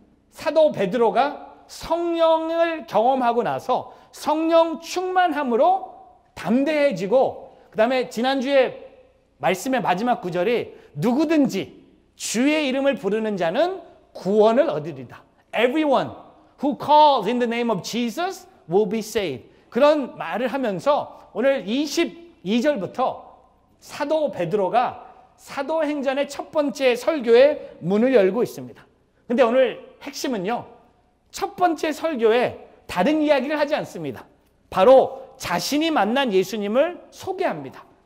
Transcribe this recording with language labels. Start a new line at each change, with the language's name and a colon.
Korean: 사도 베드로가 성령을 경험하고 나서 성령 충만함으로 담대해지고 그 다음에 지난주에 말씀의 마지막 구절이 누구든지 주의 이름을 부르는 자는 구원을 얻으리다.
English: Everyone who calls in the name of Jesus will be saved.
Korean: 그런 말을 하면서 오늘 22절부터 사도 베드로가 사도행전의 첫 번째 설교의 문을 열고 있습니다. 근데 오늘 핵심은요. 첫 번째 설교에 다른 이야기를 하지 않습니다. 바로 자신이 만난 예수님을 소개합니다.